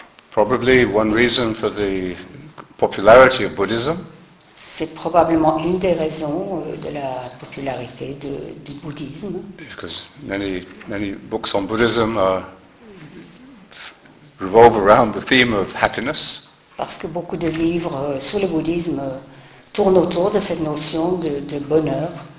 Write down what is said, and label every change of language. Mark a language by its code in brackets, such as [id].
[en] Probably one reason for the popularity of Buddhism. [fr] C'est probablement une des raisons de la popularité du bouddhisme. [en] Because many books on Buddhism are revolve around the theme of happiness. [fr] Parce que beaucoup de livres sur le bouddhisme tournent autour de cette notion de bonheur